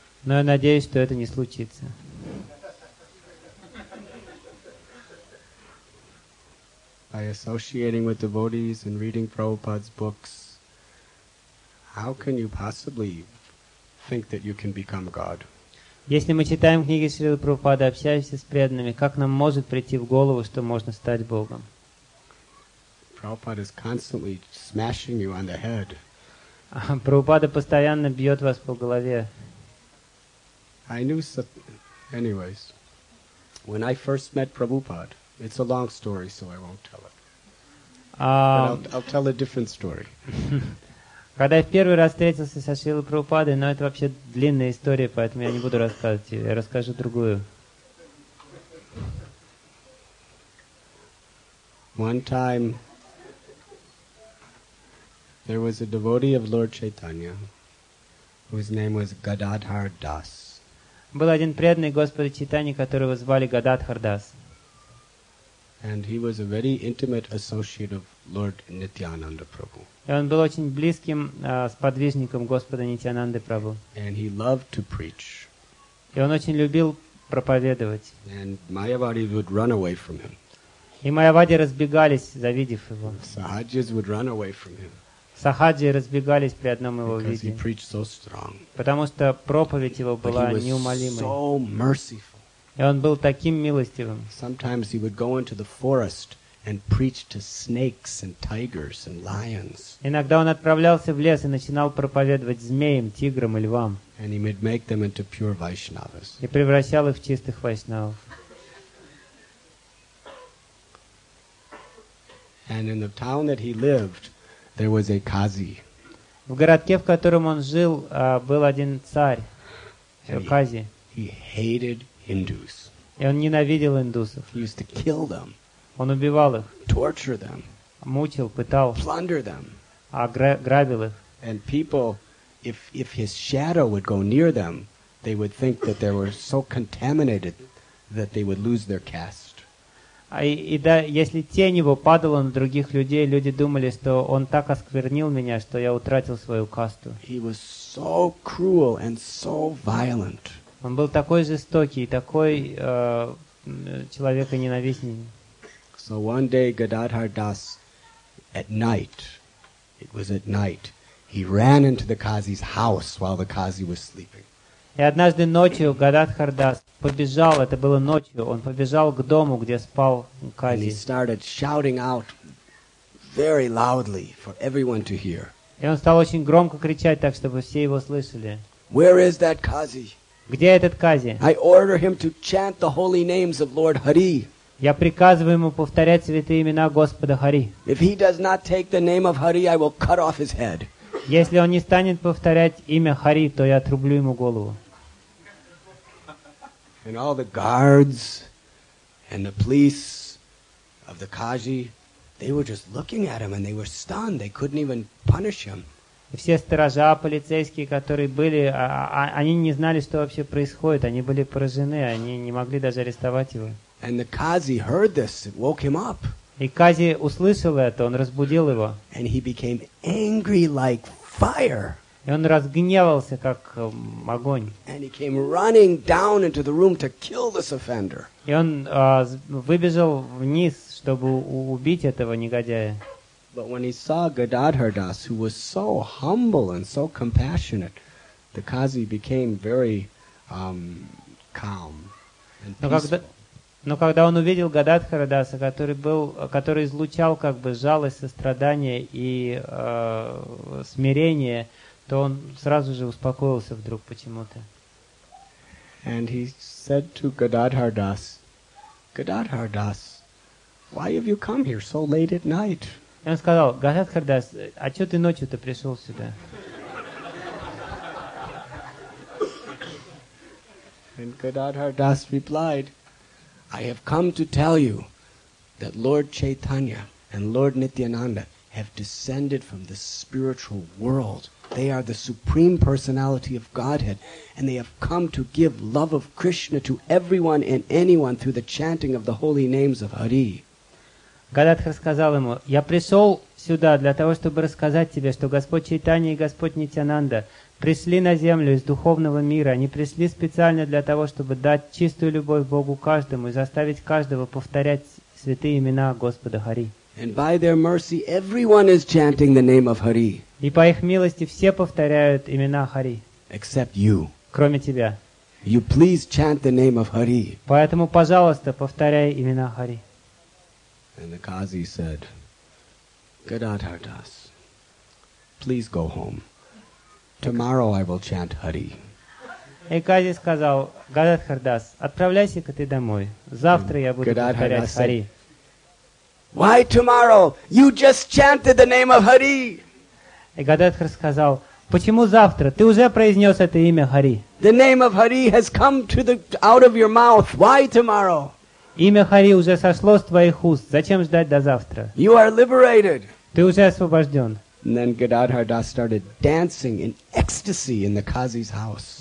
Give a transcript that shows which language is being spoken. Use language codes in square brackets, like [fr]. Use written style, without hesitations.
[ru] Но я надеюсь, что это не случится. [en] By associating with devotees and reading Prabhupada's books, how can you possibly think that you can become God? [ru] Если мы читаем книги Шрилы Прабхупады, общаемся с преданными, как нам может прийти в голову, что можно стать Богом? [en] Prabhupada is constantly smashing you on the head. [ru] Прабхупада постоянно бьет вас по голове. [en] I knew anyways. When I first met Prabhupada, it's a long story, so I won't tell it. I'll tell a different story. [ru] Когда я в первый раз встретился со Шрилой Прабхупадой, но это вообще длинная история, поэтому я не буду рассказывать ее, я расскажу другую. [en] One time there was a devotee of Lord Chaitanya, whose name was Gadadhar Das. [ru] Был один преданный Господа Чайтаньи, которого звали Гададхар Дас. [en] And he was a very intimate associate of Lord Nityananda Prabhu. [ru] И он был очень близким сподвижником Господа Нитьянанды Прабху. [en] And he loved to preach. [ru] И он очень любил проповедовать. [en] And Mayavadi would run away from him. [ru] И Майявади разбегались, завидев его. [en] Sahajis would run away from him. [ru] Сахаджи разбегались при одном его [en] because [ru] виде. [en] He preached so strong. [ru] Потому что проповедь его была неумолимой. [en] So merciful. [ru] И он был таким милостивым. [en] Sometimes he would go into the forest and preach to snakes and tigers and lions. [ru] Иногда он отправлялся в лес и начинал проповедовать змеям, тиграм и львам. [en] And he would make them into pure Vaishnavas. [ru] И превращал их в чистых вайшнавов. [en] And in the town that he lived, there was a kazi. [ru] В городке, в котором он жил, был один царь, кази. [en] He hated Hindus. [ru] И он ненавидел индусов. [en] He used to kill them. [ru] Он убивал их. [en] Torture them. [ru] Мучил, пытал. [en] Plunder them. [ru] Грабил их. [en] And people, if his shadow would go near them, they would think that they were so contaminated that they would lose their caste. [ru] И да, если тень его падала на других людей, люди думали, что он так осквернил меня, что я утратил свою касту. [en] He was so cruel and so violent. [ru] Он был такой жестокий, такой человеконенавистный. [en] So one day Gadadhar Das at night, it was at night, he ran into the Kazi's house while the Kazi was sleeping. [ru] И однажды ночью Гададхар Дас побежал, это было ночью, он побежал к дому, где спал Кази. [en] And he started shouting out very loudly for everyone to hear. [ru] И он стал очень громко кричать так, чтобы все его слышали. [en] Where is that Kazi? [ru] Где этот Кази? [en] I order him to chant the holy names of Lord Hari. [ru] Я приказываю ему повторять святые имена Господа Хари. [en] If he does not take the name of Hari, I will cut off his head. [ru] Если он не станет повторять имя Хари, то я отрублю ему голову. [en] And all the guards and the police of the Kazi, they were just looking at him and they were stunned. They couldn't even punish him. [ru] Все сторожа, полицейские, которые были, они не знали, что вообще происходит. Они были поражены, они не могли даже арестовать его. [en] And the Kazi heard this, it woke him up. [ru] И Кази услышал это, он разбудил его. [en] And he became angry like fire. [ru] И он разгневался, как огонь. [en] And he came running down into the room to kill this offender. [ru] И он выбежал вниз, чтобы убить этого негодяя. [en] But when he saw Gadadhar Das, who was so humble and so compassionate, the Kazi became very calm and peaceful. [ru] Но когда он увидел Гададхара Даса, который излучал как бы жалость, сострадание и смирение, то он сразу же успокоился вдруг почему-то. [en] And he said to Gadadhar Das, Gadadhar Das, why have you come here so late at night? [ru] И он сказал, Гададхар Дас, а чё ты ночью-то пришёл сюда? [en] And Gadadhar Das replied, I have come to tell you that Lord Chaitanya and Lord Nityananda have descended from the spiritual world. They are the supreme personality of Godhead, and they have come to give love of Krishna to everyone and anyone through the chanting of the holy names of Hari. [ru] Гададхар сказал ему, «Я пришел сюда для того, чтобы рассказать тебе, что Господь Чайтанья и Господь Нитянанда пришли на землю из духовного мира. Они пришли специально для того, чтобы дать чистую любовь Богу каждому и заставить каждого повторять святые имена Господа Хари». [en] And by their mercy, everyone is chanting the name of Hari. [ru] И по их милости все повторяют имена Хари. [en] Except you. [ru] Кроме тебя. [en] You please chant the name of Hari. [ru] Поэтому, пожалуйста, повторяй имена Хари. [en] And the Kazi said, Gadadhar Das, please go home. Tomorrow I will chant Hari. [ru] И Кази сказал, Гададхар Дас, отправляйся-ка ты домой. Завтра я буду повторять Хари. [en] Why tomorrow? You just chanted the name of Hari. [ru] И Гададхар сказал, почему завтра? Ты уже произнес это имя Хари. [en] The name of Hari has come to the out of your mouth. Why tomorrow? [ru] Имя Хари уже сошло с твоих уст. Зачем ждать до завтра? [en] You are liberated. [ru] Ты уже освобожден. [en] And then Gadadhar Das started dancing in ecstasy in the Kazi's house.